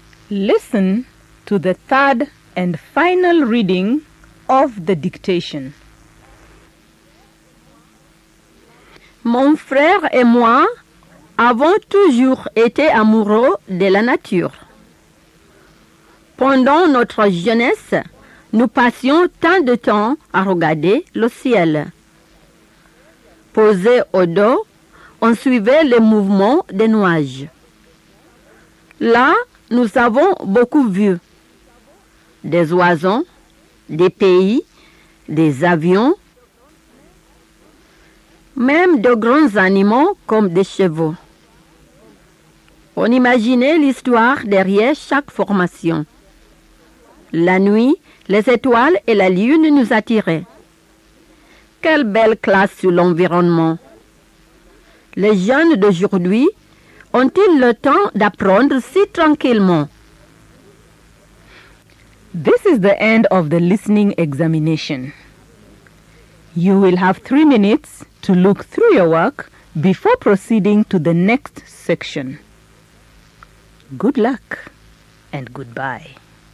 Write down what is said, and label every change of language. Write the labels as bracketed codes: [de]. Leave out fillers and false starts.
[en] Listen to the third and final reading of the dictation. [fr] Mon frère et moi avons toujours été amoureux de la nature. Pendant notre jeunesse, nous passions tant de temps à regarder le ciel. Posé au dos, on suivait les mouvements des nuages. Là, nous avons beaucoup vu. Des oiseaux, des pays, des avions, même de grands animaux comme des chevaux. On imaginait l'histoire derrière chaque formation. La nuit, les étoiles et la lune nous attiraient. Quelle belle classe sur l'environnement! Les jeunes d'aujourd'hui ont-ils le temps d'apprendre si tranquillement? [en] This is the end of the listening examination. You will have 3 minutes to look through your work before proceeding to the next section. Good luck and goodbye.